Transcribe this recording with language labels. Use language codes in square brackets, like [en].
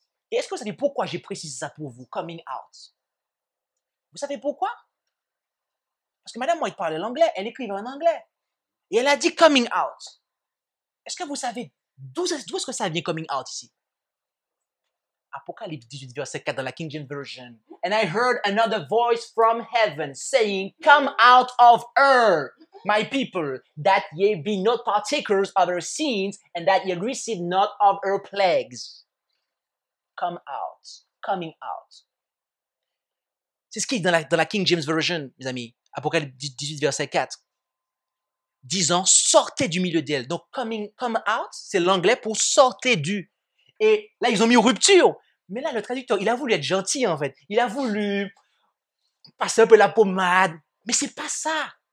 [fr] Et est-ce que vous savez pourquoi j'ai précisé ça pour vous, coming out? Vous savez pourquoi? Parce que Madame White parlait l'anglais, elle écrivait en anglais. Et elle a dit « coming out ». Est-ce que vous savez d'où est-ce que ça vient « coming out » ici? Apocalypse 18, verset 4 dans la King James Version. [en] « And I heard another voice from heaven saying, come out of her, my people, that ye be not partakers of her sins, and that ye receive not of her plagues. » Come out, coming out. [fr] C'est ce qu'il dit dans la King James Version, mes amis, Apocalypse 18, verset 4, disant « sortez du milieu d'elle ». Donc « coming, come out », c'est l'anglais pour « sortez du ». Et là, ils ont mis « rupture ». Mais là, le traducteur, il a voulu être gentil, en fait. Il a voulu passer un peu la pommade. Mais ce n'est pas ça.